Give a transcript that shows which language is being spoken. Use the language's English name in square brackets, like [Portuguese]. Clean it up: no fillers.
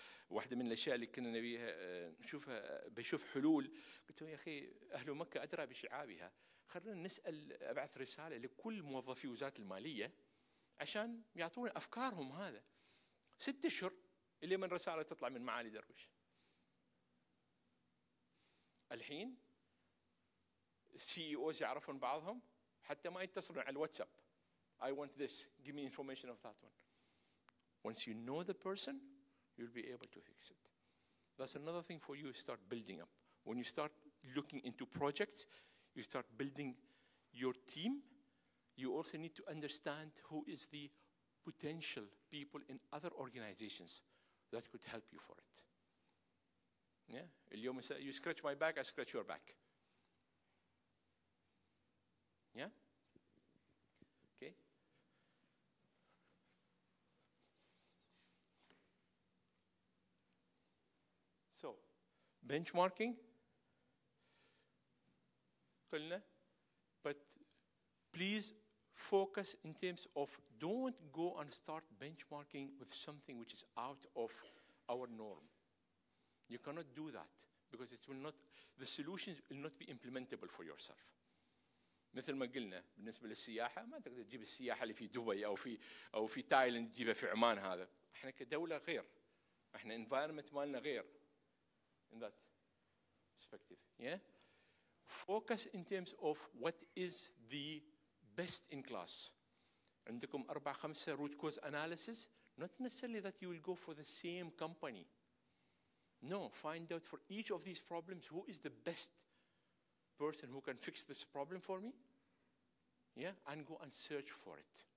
[Arabic] واحدة من الأشياء اللي كنا نبيها نشوفها بشوف حلول، قلت له يا أخي أهل مكة أدرى بشعابها، خلونا نسأل أبعث رسالة لكل موظفي وزارة المالية عشان يعطونا أفكارهم. هذا 6 أشهر اللي من رسالة تطلع من معالي درويش. الحين CEOs يعرفون بعضهم، حتى ما يتصلون على الواتساب. [English] I want this. Give me information of that one. Once you know the person, you'll be able to fix it. That's another thing for you. Start building up. When you start looking into projects, you start building your team. You also need to understand who is the potential people in other organizations that could help you for it. Yeah? اليوم you scratch my back, I scratch your back. Yeah? Okay. So, benchmarking. But please focus in terms of don't go and start benchmarking with something which is out of our norm. You cannot do that because it will not, the solutions will not be implementable for yourself. [Arabic] مثل ما قلنا بالنسبة للسياحة، ما تقدر تجيب السياحة اللي في دبي أو في تايلند تجيبها في عمان. هذا إحنا كدولة غير، إحنا environment مالنا غير. [English] In that perspective, yeah. Focus in terms of what is the best in class. عندكم 4-5 root cause analysis. Not necessarily that you will go for the same company. No, find out for each of these problems who is the best person who can fix this problem for me, yeah, and go and search for it.